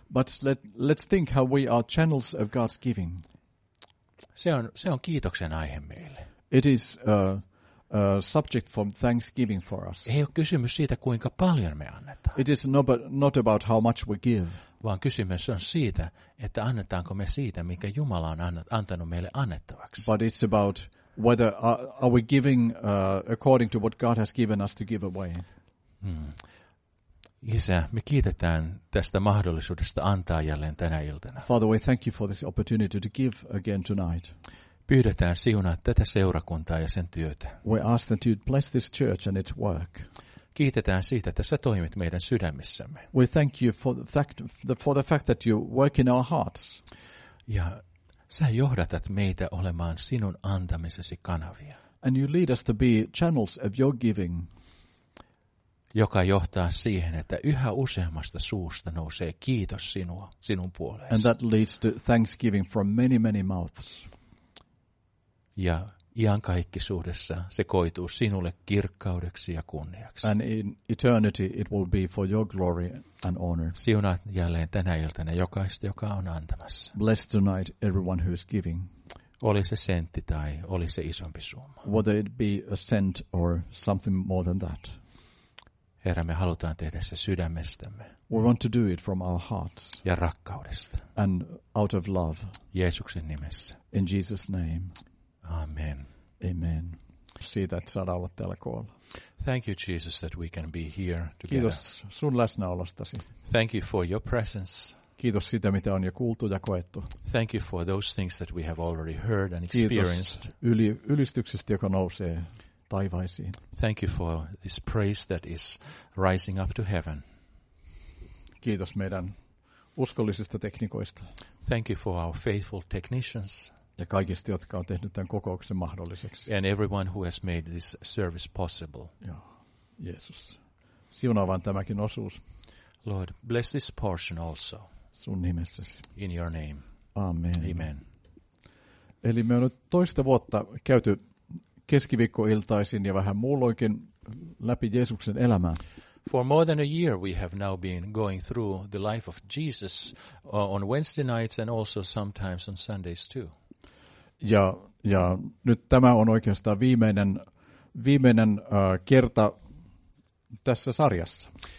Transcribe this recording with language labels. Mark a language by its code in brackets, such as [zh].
[en] But let's think how we are channels of God's giving. [fi] Se on kiitoksen aihe meille. [en] It is subject for thanksgiving for us. [fi] Ei ole kysymys siitä, kuinka paljon me annetaan. [en] It is not about how much we give. [fi] Vaan kysymys on siitä, että annetaanko me siitä, mikä Jumala on antanut meille annettavaksi. [en] But it's about whether are we giving according to what God has given us to give away. [fi] Isä, me kiitetään tästä mahdollisuudesta antaa jälleen tänä iltana. [en] Father, we thank you for this opportunity to give again tonight. [fi] Pyydetään siunaa tätä seurakuntaa ja sen työtä. [en] We ask that you bless this church and its work. [fi] Kiitetään siitä, että sä toimit meidän sydämissämme. [en] We thank you for the fact that you work in our hearts. [fi] Ja sä johdatat meitä olemaan sinun antamisesi kanavia. [en] And you lead us to be channels of your giving. [fi] Joka johtaa siihen, että yhä useammasta suusta nousee kiitos sinua, sinun puolesta. [en] And that leads to thanksgiving from many, many mouths. [fi] Ja iankaikkisuudessa se koituu sinulle kirkkaudeksi ja kunniaksi. [en] And in eternity it will be for your glory and honor. [fi] Siunaat jälleen tänä iltana jokaista, joka on antamassa. [en] Bless tonight everyone who is giving. [fi] Oli se sentti tai oli se isompi summa. [en] Whether it be a cent or something more than that. [fi] Herra, me halutaan tehdä se sydämestämme. [en] We want to do it from our hearts. [fi] Ja rakkaudesta. [en] And out of love. [fi] Jeesuksen nimessä. [en] In Jesus' name. [fi] Amen. [en] Amen. [fi] Siitä, että saadaan olla täällä koolla. [en] Thank you, Jesus, that we can be here together. [fi] Kiitos sun läsnäolostasi. [en] Thank you for your presence. [fi] Kiitos siitä, mitä on jo kuultu ja koettu. [en] Thank you for those things that we have already heard and experienced. [fi] Kiitos ylistyksestä, joka nousee taivaisiin. [en] Thank you for this praise that is rising up to heaven. [fi] Kiitos meidän uskollisista teknikoista. [en] Thank you for our faithful technicians. [fi] Ja kaikista, jotka on tehnyt tämän kokouksen mahdolliseksi. [en] And everyone who has made this service possible. [fi] Joo, Jeesus. Siunaa vaan tämäkin osuus. [en] Lord, bless this portion also. [fi] Sun nimessäsi. [en] In your name. [fi] Amen. [en] Amen. [fi] Eli me on nyt toista vuotta käyty keskiviikkoiltaisin ja vähän muulloinkin läpi Jeesuksen elämää. [en] For more than a year we have now been going through the life of Jesus on Wednesday nights and also sometimes on Sundays too. [fi] Ja nyt tämä on oikeastaan viimeinen kerta tässä sarjassa.